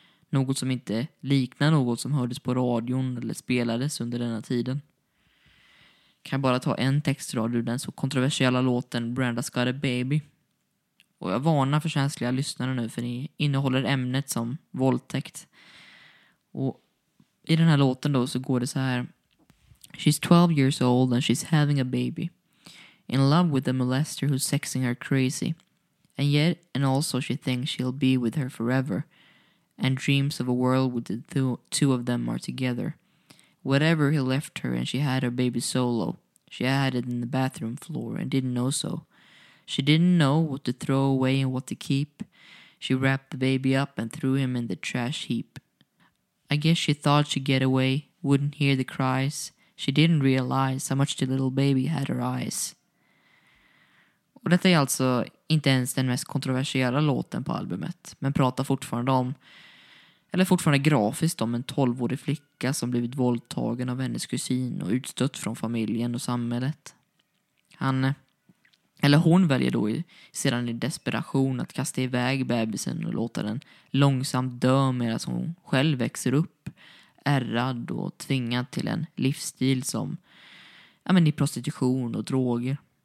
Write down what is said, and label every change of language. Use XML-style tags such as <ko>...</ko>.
<sv>Något som inte liknar något som hördes på radion eller spelades under denna tiden. Kan bara ta en textrad ur den så kontroversiella låten Brenda's Got a Baby. Och jag varnar för känsliga lyssnare nu, för ni innehåller ämnet som våldtäkt. Och i den här låten då så går det så här.</sv> <en>She's 12 years old and she's having a baby. In love with a molester who's sexing her crazy. And yet, and also she thinks she'll be with her forever. And dreams of a world with the two of them are together. Whatever he left her and she had her baby solo. She had it in the bathroom floor and didn't know so. She didn't know what to throw away and what to keep. She wrapped the baby up and threw him in the trash heap. I guess she thought she'd get away, wouldn't hear the cries. She didn't realize how much the little baby had her eyes.</en> <sv>Och detta är alltså inte ens den mest kontroversiella låten på albumet, men pratar fortfarande om, eller fortfarande grafiskt om, en 12-årig flicka som blivit våldtagen av hennes kusin och utstött från familjen och samhället. Han, eller hon, väljer då sedan i desperation att kasta iväg bebisen och låta den långsamt dö medan hon själv växer upp, ärrad och tvingad till en livsstil som i prostitution och droger.</sv>